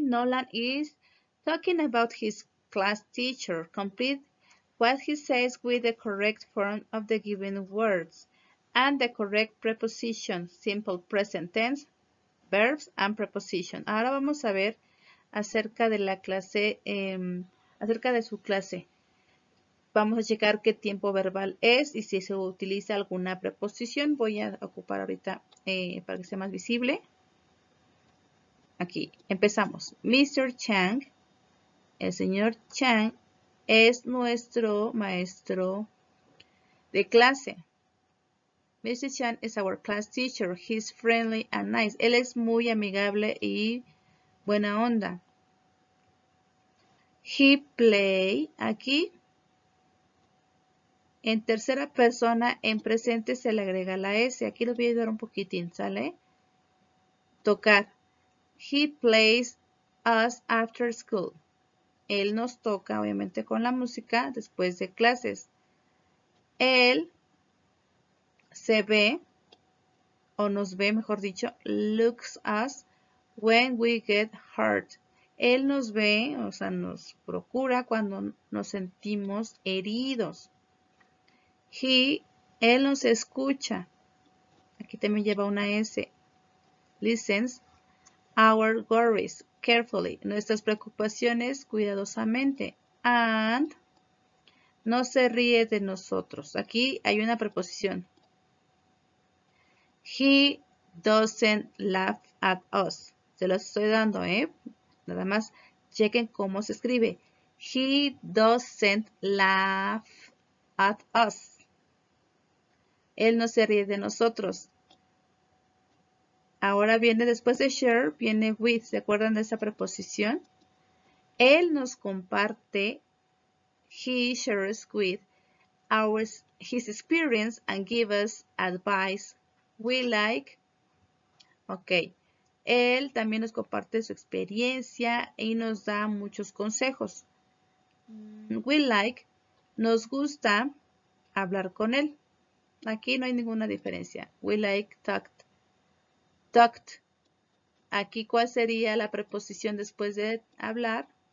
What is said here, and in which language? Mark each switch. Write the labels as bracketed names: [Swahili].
[English] Nolan is talking about his class teacher. Complete what he says with the correct form of the given words and the correct preposition, simple present tense, verbs and preposition. [Spanish] Ahora vamos a ver acerca de la clase. Acerca de su clase. vamos a checar qué tiempo verbal es y si se utiliza alguna preposición. Voy a ocupar ahorita para que sea más visible. Aquí, empezamos. Mr. Chang, el señor Chang es nuestro maestro de clase. [English] Mr. Chang is our class teacher. He's friendly and nice. [Spanish] Él es muy amigable y buena onda. [English] He play aquí. [Spanish] En tercera persona, en presente, se le agrega la S. Aquí lo voy a ayudar un poquitín, ¿sale? Tocar. [English] He plays us after school. [Spanish] Él nos toca, obviamente, con la música después de clases. Él se ve, o nos ve, mejor dicho, [English] looks us when we get hurt. [Spanish] Él nos ve, o sea, nos procura cuando nos sentimos heridos. Él nos escucha. Aquí también lleva una S. [English] Listens our worries carefully. [Spanish] Nuestras preocupaciones cuidadosamente. And no se ríe de nosotros. Aquí hay una preposición. [English] He doesn't laugh at us. [Spanish] Se los estoy dando, Nada más chequen cómo se escribe. [English] He doesn't laugh at us. [Spanish] Él no se ríe de nosotros. Ahora viene después de share, viene with. ¿Se acuerdan de esa preposición? Él nos comparte. [English] He shares with his experience and gives us advice. We like. Ok. [Spanish] Él también nos comparte su experiencia y nos da muchos consejos. [English] We like. [Spanish] Nos gusta hablar con él. Aquí no hay ninguna diferencia. [English] We like talked. Talked. [Spanish] Aquí, ¿cuál sería la preposición después de hablar?